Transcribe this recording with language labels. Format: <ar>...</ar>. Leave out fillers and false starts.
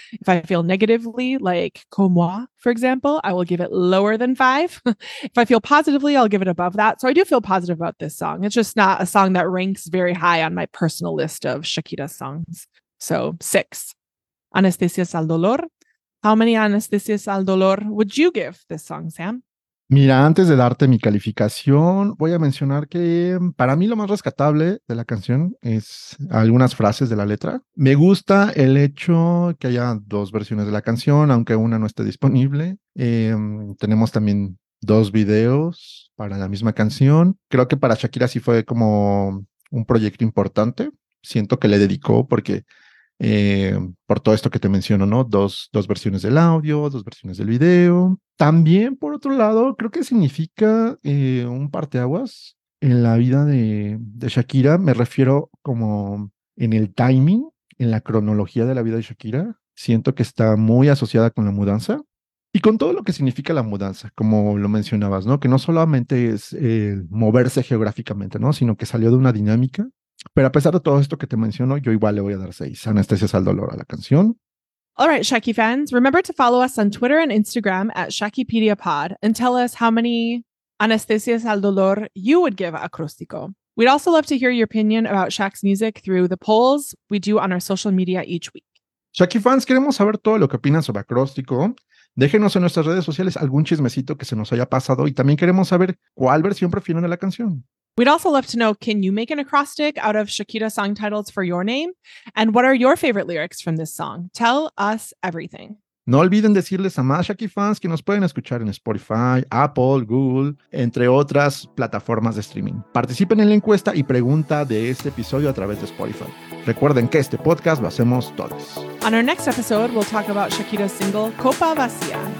<en>If I feel negatively, like Comme Moi, for example, I will give it lower than 5. If I feel positively, I'll give it above that. So I do feel positive about this song. It's just not a song that ranks very high on my personal list of Shakira songs. So 6. Anestesias al dolor. How many anestesias al dolor would you give this song, Sam?</en> <es>Mira, antes de darte mi calificación, voy a mencionar que para mí lo más rescatable de la canción es algunas frases de la letra. Me gusta el hecho que haya dos versiones de la canción, aunque una no esté disponible. Tenemos también dos videos para la misma canción. Creo que para Shakira sí fue como un proyecto importante. Siento que le dedicó porque por todo esto que te menciono, ¿no? Dos versiones del audio, dos versiones del video. También, por otro lado, creo que significa un parteaguas en la vida de Shakira. Me refiero como en el timing, en la cronología de la vida de Shakira. Siento que está muy asociada con la mudanza y con todo lo que significa la mudanza, como lo mencionabas, ¿no? Que no solamente es moverse geográficamente, ¿no? Sino que salió de una dinámica. Pero a pesar de todo esto que te menciono, yo igual le voy a dar 6 anestesias al dolor a la canción.</es> <en>All right, Shaki fans, remember to follow us on Twitter and Instagram @ShakiPediaPod and tell us how many anestesias al dolor you would give Acróstico. We'd also love to hear your opinion about Shaq's music through the polls we do on our social media each week.</en> <es>Shaqy fans, queremos saber todo lo que opinan sobre Acróstico. Déjenos en nuestras redes sociales algún chismecito que se nos haya pasado y también queremos saber cuál versión prefieren de la canción.</es> <en>We'd also love to know, can you make an acrostic out of Shakira song titles for your name? And what are your favorite lyrics from this song? Tell us everything.</en> <es>No olviden decirles a más Shaqy fans que nos pueden escuchar en Spotify, Apple, Google, entre otras plataformas de streaming. Participen en la encuesta y pregunta de este episodio a través de Spotify. Recuerden que este podcast lo hacemos todos.</es> <en>On our next episode, we'll talk about Shakira's single Copa Vacía.</en>